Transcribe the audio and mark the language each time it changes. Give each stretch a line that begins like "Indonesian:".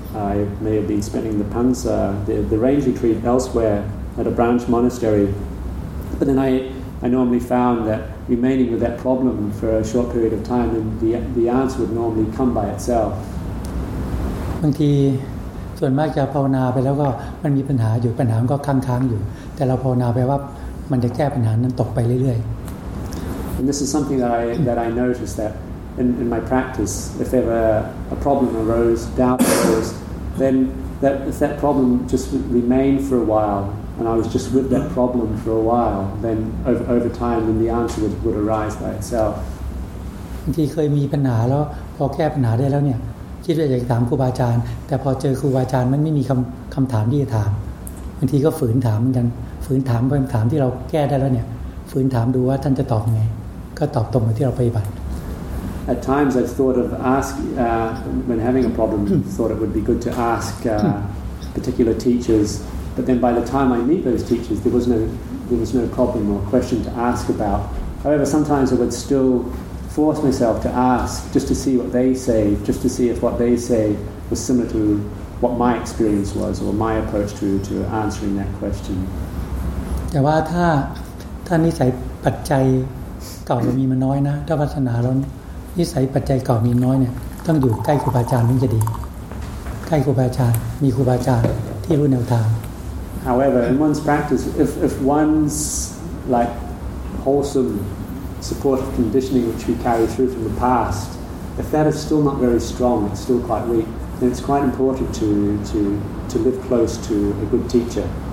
English: I may have been spending the pansa, the range retreat elsewhere at a branch monastery, but then I normally found that remaining with that problem for a short period of time, then the answer would normally come by itself.
Thai: บางทีส่วนมากจะภาวนาไปแล้วก็มันมีปัญหาอยู่ปัญหาก็ค้างๆอยู่แต่เราภาวนาไปว่ามันจะแก้ปัญหานั้นตกไปเรื่อย
English: ๆ And this is something that I noticed that in my practice, if ever a problem arose, doubt arose, then if that problem just remained for a while. And I was just with that problem for a while. Then over time, then the answer would arise by itself.
Thai: ที่เคยมีปัญหาแล้วพอแก้ปัญหาได้แล้วเนี่ยคิดว่าอยากถามครูบาอาจารย์แต่พอเจอครูบาอาจารย์มันไม่มีคำถามที่จะถามบางทีก็ฝืนถามเหมือนกันฝืนถามคำถามที่เราแก้ได้แล้วเนี่ยฝืนถามดูว่าท่านจะตอบไงก็ตอบตรงกับที่เราปฏิบัติ
English: At times I thought of when having a problem, thought it would be good to ask particular teachers. But then by the time I meet those teachers, there was no problem or question to ask about. However, sometimes I would still force myself to ask just to see what they say, just to see if what they say was similar to what my experience was or my approach to answering that question.
Thai: แต่ว่าถ้านิสัยปัจจัยเก่าเรามีมันน้อยนะถ้าวาสนาเรานิสัยปัจจัยเก่ามีน้อยเนี่ยต้องอยู่ใกล้ครูบาอาจารย์ถึงจะดีใกล้ครูบาอาจารย์มีครูบาอาจารย์ที่รู้แนวทาง
English: However, in one's practice, if one's like wholesome supportive conditioning which we carry through from the past, if that is still not very strong, it's still quite weak, then it's quite important to live close to a good teacher.